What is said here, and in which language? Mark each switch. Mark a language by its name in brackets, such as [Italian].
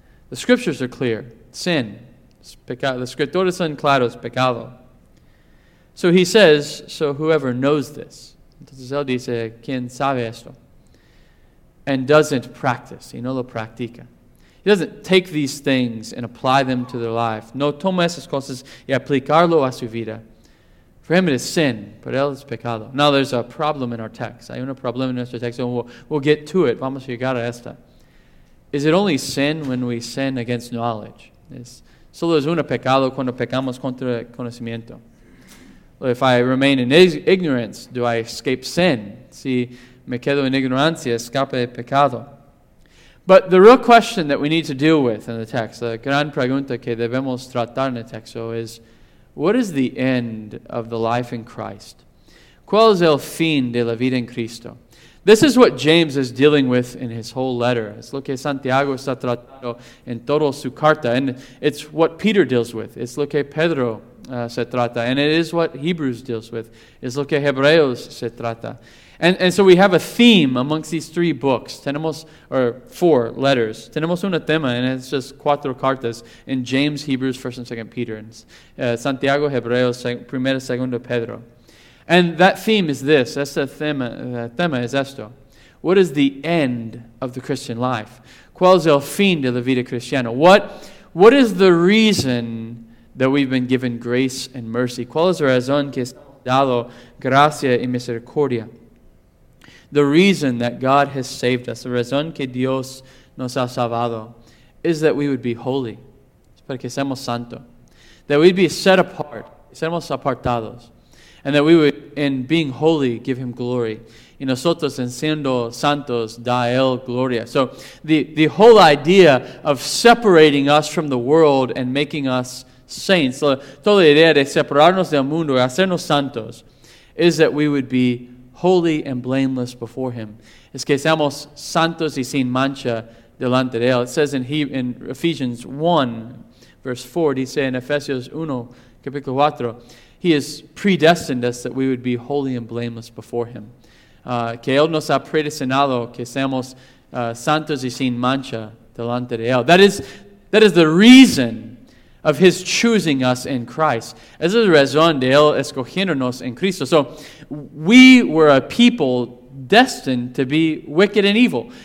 [English] The scriptures are clear. Sin, [Spanish] es pecado. [English] The scriptures [Spanish] son claros, pecado. [English] So he says, so whoever knows this, [Spanish] entonces él dice, ¿quién sabe esto? [English] And doesn't practice, [Spanish] y no lo practica. [English] He doesn't take these things and apply them to their life. [Spanish] No toma esas cosas y aplicarlo a su vida. [English] For him it is sin, [Spanish] pero él es pecado. [English] Now there's a problem in our text. [Spanish] Hay un problema en nuestro texto, [English] and we'll get to it. [Spanish] Vamos a llegar a esta. [English] Is it only sin when we sin against knowledge? [Spanish] Solo es un pecado cuando pecamos contra el conocimiento. [English] If I remain in ignorance, do I escape sin? [Spanish] Si me quedo en ignorancia, escape pecado. [English] But the real question that we need to deal with in the text, the [Spanish] gran pregunta que debemos tratar en el texto, [English] is what is the end of the life in Christ? [Spanish] ¿Cuál es el fin de la vida en Cristo? [English] This is what James is dealing with in his whole letter. [Spanish] Es lo que Santiago está tratando en toda su carta. [English] And it's what Peter deals with. [Spanish] Es lo que Pedro se trata. [English] And it is what Hebrews deals with. [Spanish] Es lo que Hebreos se trata. [English] And so we have a theme amongst these three books. [Spanish] Tenemos, [English] or four letters. [Spanish] Tenemos un tema, [English] and it's just [Spanish] cuatro cartas [English] in James, Hebrews, 1 and 2 Peter. [Spanish] And, Santiago, Hebreos, 1 y 2 Pedro. [English] And that theme is this. [Spanish] Este tema es esto. [English] What is the end of the Christian life? [Spanish] ¿Cuál es el fin de la vida cristiana? [English] What is the reason that we've been given grace and mercy? [Spanish] ¿Cuál es la razón que estamos dado gracia y misericordia? [English] The reason that God has saved us, the [Spanish] razón que Dios nos ha salvado, [English] is that we would be holy. [Spanish] Es para que seamos santo. [English] That we'd be set apart. [Spanish] Seamos apartados. [English] And that we would, in being holy, give him glory. [Spanish] Y nosotros, en siendo santos, da él gloria. [English] So the whole idea of separating us from the world and making us saints, [Spanish] toda la idea de separarnos del mundo y hacernos santos, [English] is that we would be holy and blameless before him. [Spanish] Es que seamos santos y sin mancha delante de él. [English] It says in Ephesians 1, verse 4, [Spanish] dice en Efesios 1, capítulo 4, [English] He has predestined us that we would be holy and blameless before Him. [Spanish] Que Él nos ha predestinado que seamos santos y sin mancha delante de Él. [English] That is the reason of His choosing us in Christ. [Spanish] Esa es la razón de Él escogiéndonos en Cristo. [English] So, we were a people destined to be wicked and evil.